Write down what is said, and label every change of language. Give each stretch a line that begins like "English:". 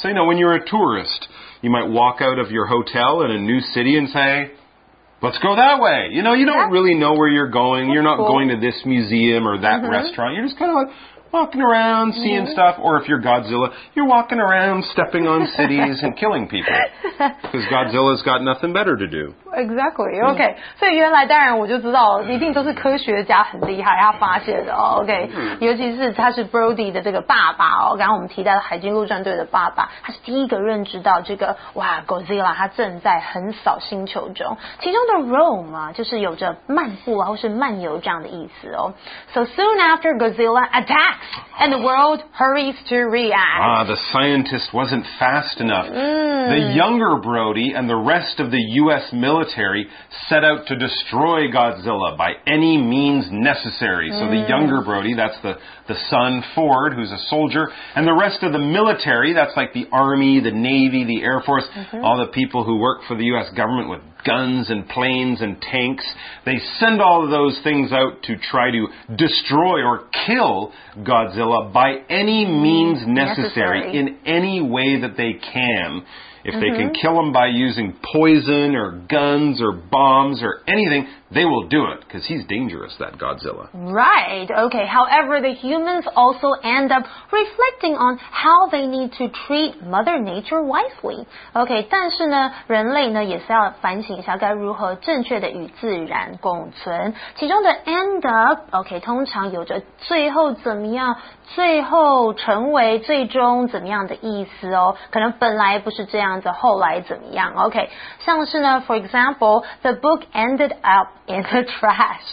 English: So, you know, when you're a tourist, you might walk out of your hotel in a new city and say, let's go that way. You know, you don't really know where you're going. That's you're not going to this museum or that restaurant. You're just kind of like walking around, seeing stuff. Or if you're Godzilla, you're walking around, stepping on cities and killing people. Because Godzilla's got nothing better to do. Exactly. Okay.
Chinese: So, 原来当然我就知道一定都是科学家很厉害他发现的。 Okay. 尤其是他是 Brody 的这个爸爸。刚刚我们提到的海军陆战队的爸爸。他是第一个认知到这个哇 ,Godzilla, 他正在横扫星球中。其中的 roam 啊就是有着漫步啊或是漫游这样的意思哦。
English: So, soon after Godzilla attacks, and the world hurries to react. Ah, the scientist wasn't fast enough. The younger Brody and the rest of the U.S. military set out to destroy Godzilla by any means necessary. So the younger Brody, that's the son Ford, who's a soldier, and the rest of the military, that's like the Army, the Navy, the Air Force, all the people who work for the U.S. government with guns and planes and tanks, they send all of those things out to try to destroy or kill Godzilla by any means necessary, in any way that they can. If they can kill him by using poison or guns or bombs or anything, they will do it because he's dangerous, that Godzilla. Right. Okay. However, the humans also end up reflecting on how they need to treat Mother Nature wisely. Okay.
Chinese: 但是呢，人类呢也是要反省一下该如何正确的与自然共存。其中的 end up, okay, 通常有着最后怎么样，最后成为，最终怎么样的意思哦。可能本来不是这样子，后来怎么样 ？OK， 像是呢 ，
English: for example， the book ended up in the trash.